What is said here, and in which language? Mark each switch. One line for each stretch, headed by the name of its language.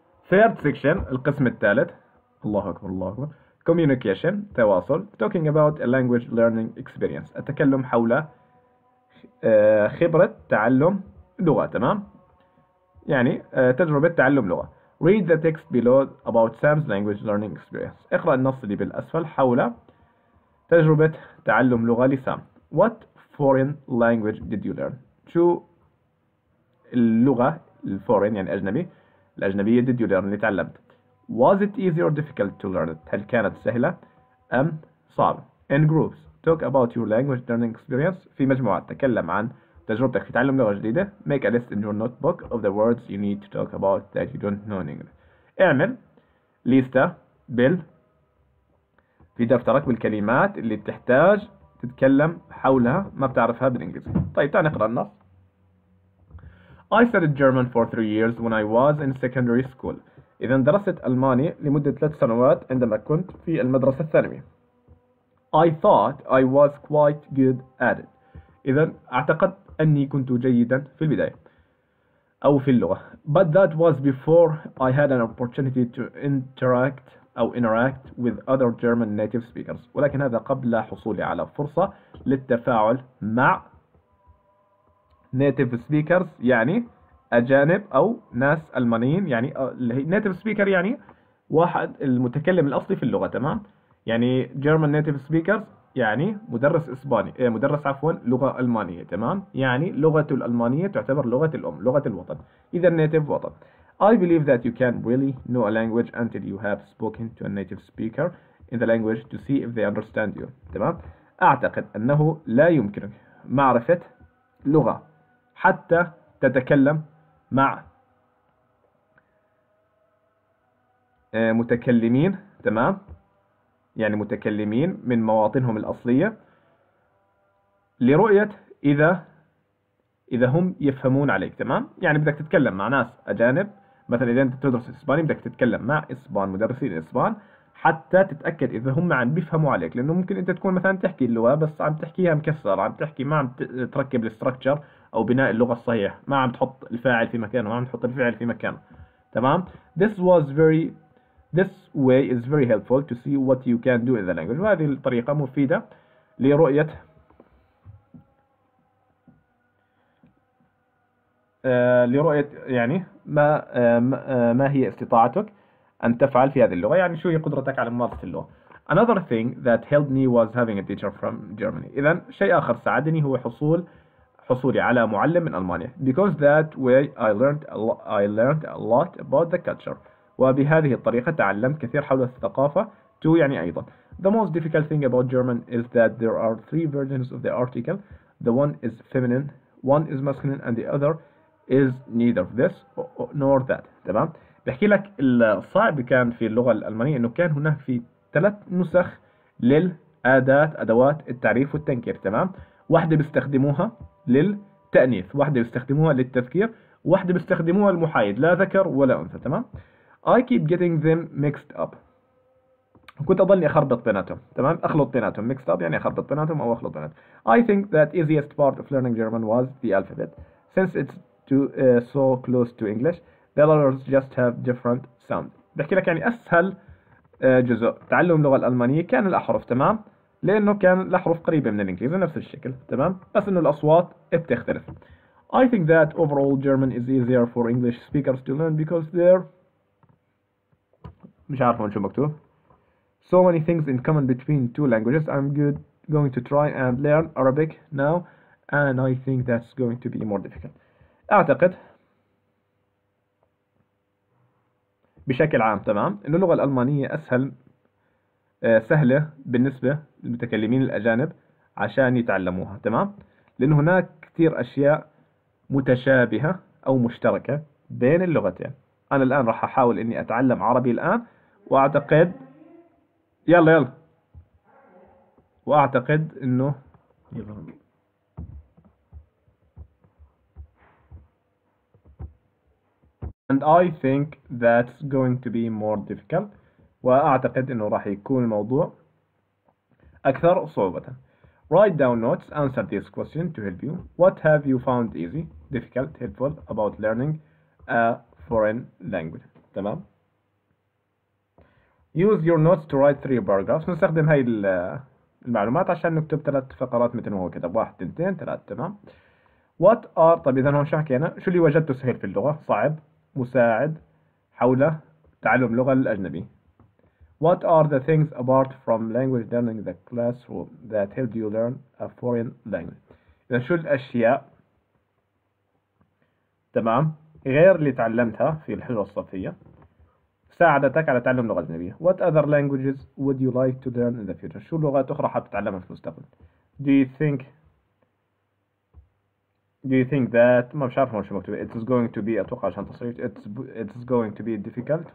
English: third section
Arabic: القسم الثالث، الله أكبر الله أكبر، communication تواصل،
English: talking about a language learning experience،
Arabic: التكلم حول خبرة تعلم لغة. تمام، يعني تجربة تعلم لغة.
English: read the text below about Sam's language learning experience،
Arabic: اقرأ النص اللي بالأسفل حول تجربة تعلم لغة لسام.
English: what foreign language did you learn،
Arabic: شو اللغة الفورين يعني أجنبي، الأجنبية
English: did you learn
Arabic: اللي تعلمت.
English: Was it easy or difficult to learn it؟
Arabic: هل كانت سهلة أم صعبة؟
English: In groups talk about your language learning experience،
Arabic: في مجموعات تكلم عن تجربتك في تعلم لغة جديدة.
English: Make a list in your notebook of the words you need to talk about that you don't know in English،
Arabic: اعمل ليستة بال في دفترك بالكلمات اللي تحتاج تتكلم حولها ما بتعرفها بالإنجليزي. طيب تعال نقرأ النص.
English: I studied German for 3 years when I was in secondary school.
Arabic: إذا درست ألماني لمدة 3 سنوات عندما كنت في المدرسة الثانوية.
English: I thought I was quite good at it.
Arabic: إذا أعتقد أني كنت جيدا في البداية أو في اللغة.
English: But that was before I had an opportunity to interact أو interact with other German native speakers.
Arabic: ولكن هذا قبل حصولي على فرصة للتفاعل مع native speakers يعني أجانب أو ناس ألمانيين، يعني native speaker يعني واحد المتكلم الأصلي في اللغة. تمام، يعني German native speakers يعني مدرس إسباني، مدرس عفوا لغة ألمانية. تمام، يعني لغة الألمانية تعتبر لغة الأم، لغة الوطن، إذا native وطن.
English: I believe that you can really know a language until you have spoken to a native speaker in the language to see if they understand you.
Arabic: تمام، أعتقد أنه لا يمكنك معرفة لغة حتى تتكلم مع متكلمين، تمام، يعني متكلمين من مواطنهم الأصلية، لرؤية إذا هم يفهمون عليك. تمام، يعني بدك تتكلم مع ناس أجانب، مثلا إذا أنت تدرس إسباني بدك تتكلم مع إسبان، مدرسين إسبان، حتى تتأكد إذا هم عم بيفهموا عليك، لأنه ممكن أنت تكون مثلا تحكي اللغة بس عم تحكيها مكسر، عم تحكي ما عم تركب الاستراكشر أو بناء اللغة الصحيح، ما عم تحط الفاعل في مكانه، ما عم تحط الفعل في مكانه. تمام،
English: this way is very helpful to see what you can do in the language،
Arabic: وهذه الطريقة مفيدة لرؤية يعني ما هي استطاعتك أن تفعل في هذه اللغة، يعني شو هي قدرتك على ممارسة اللغة.
English: Another thing that helped me was having a teacher from Germany.
Arabic: إذا شيء آخر ساعدني هو حصولي على معلم من ألمانيا.
English: Because that way I learned a lot about the culture.
Arabic: وبهذه الطريقة تعلمت كثير حول الثقافة. To يعني أيضا.
English: The most difficult thing about German is that there are 3 versions of the article. The one is feminine, one is masculine, and the other is neither this nor that.
Arabic: تمام؟ بحكي لك الصعب كان في اللغة الألمانية إنه كان هناك في 3 نسخ للأداة، أدوات التعريف والتنكير. تمام؟ واحدة بيستخدموها للتأنيث، واحدة بيستخدموها للتذكير، واحدة بيستخدموها المحايد، لا ذكر ولا أنثى.
English: تمام؟ I keep getting them mixed up.
Arabic: كنت أظلني أخربط بيناتهم. تمام؟ أخلط بيناتهم.
English: mixed up
Arabic: يعني أخربط بيناتهم أو أخلط بيناتهم.
English: I think that easiest part of learning German was the alphabet, since it's so close to English. The letters just have different sound.
Arabic: بحكي لك يعني أسهل جزء تعلم اللغة الألمانية كان الأحرف. تمام؟ لأنه كان الأحرف قريبة من الإنجليزي نفس الشكل. تمام؟ بس إنه الأصوات بتختلف.
English: I think that overall German is easier for English speakers to learn because there
Arabic: مش عارف شو مكتوب.
English: So many things in common between two languages. I'm good going to try and learn Arabic now, and I think that's going to be more difficult.
Arabic: أعتقد بشكل عام تمام إنه اللغة الألمانية أسهل سهلة بالنسبة للمتكلمين الأجانب عشان يتعلموها، تمام؟ لأن هناك كثير أشياء متشابهة أو مشتركة بين اللغتين. أنا الآن راح أحاول إني أتعلم عربي الآن، وأعتقد يلا يلا، وأعتقد إنه
English: and I think that's going to be more difficult.
Arabic: وأعتقد إنه راح يكون الموضوع أكثر صعوبة.
English: Write down notes, answer this question to help you. What have you found easy, difficult, helpful about learning a foreign language?
Arabic: تمام؟
English: Use your notes to write three paragraphs.
Arabic: نستخدم هاي المعلومات عشان نكتب ثلاث فقرات مثل ما هو كتب، واحد اثنتين ثلاث، تمام؟
English: What are،
Arabic: طيب إذا هون شو حكينا؟ شو اللي وجدته سهل في اللغة؟ صعب، مساعد، حول تعلم لغة الأجنبي.
English: What are the things apart from language learning the classroom that helped you learn a foreign language؟
Arabic: إذا شو الأشياء، تمام، غير اللي تعلمتها في الحجرة الصفية ساعدتك على تعلم لغة أجنبية؟
English: What other languages would you like to learn in the future؟
Arabic: شو لغات أخرى حاب تتعلمها في المستقبل؟
English: Do you think that،
Arabic: ما مش عارف شو مكتوب،
English: It's going to be،
Arabic: أتوقع عشان تصريح،
English: It's going to be difficult.